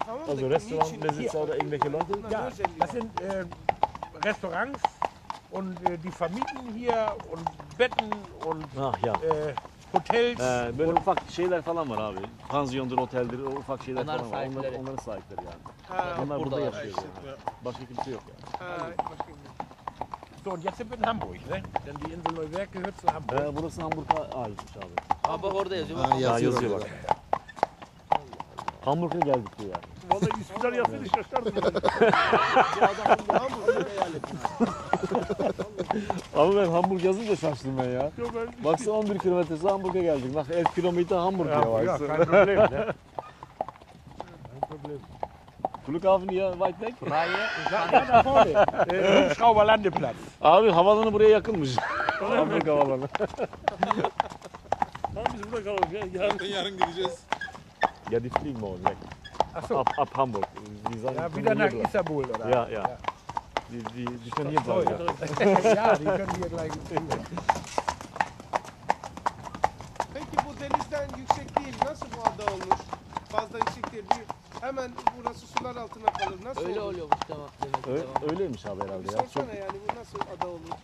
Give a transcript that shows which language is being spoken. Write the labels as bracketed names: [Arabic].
[German] Also restaurant, Besitzer oder irgendwelche Leute? Ja, das sind Restaurants und die Familien hier und Betten und Hotels. [Turkish] Böyle ufak şeyler falan var abi. Pansiyondur, oteldir, o ufak şeyler onlar falan sahipleri. Var. Onların sahipleri yani. Ha, onlar burada yaşıyor. Işte, yani. Ya. Başka kimse yok yani. [German] So, und jetzt sind wir in Hamburg, ne? Denn die Insel Neuwerk gehört zu Hamburg. [Turkish] Burası Hamburg'a aitmiş abi. Hamburg orada yazıyor. Ha, yazıyor bak. Hamburg'a geldik diyor yani. Vallahi İskender yazsaydı şaşardım. Bu adamın Hamburg'a yerleşmiş. Abi ben Hamburg yazınca şaştım ben ya. Yok, ben baksana 11 kilometresi Hamburg'a geldik. Bak 1 kilometre Hamburg diye baksana. Ya, kein [German] Problem. Kein Problem. Flughafen hier weit weg? Freie. Hubschrauber Landeplatz. [Turkish] Abi havalanı buraya yakınmış. Hamburg havalanı. Tamam biz burada kalalım ya. Yarın gideceğiz. [German] Ja, die fliegen morgen weg. Ab Hamburg. Die sagen, ja, wieder nach Istanbul, Istanbul, oder? Ja, ja. Die können hier bleiben. Ja, die können hier gleich. [Turkish] Peki bu denizden yüksek değil. Nasıl bu ada olur? Fazla yüksek değil. Hemen burası sular altına kalır. Nasıl öyle olur? Oluyormuş demek. Öyleymiş abi herhalde. Ya. Sorsana çok... yani bu nasıl ada olur?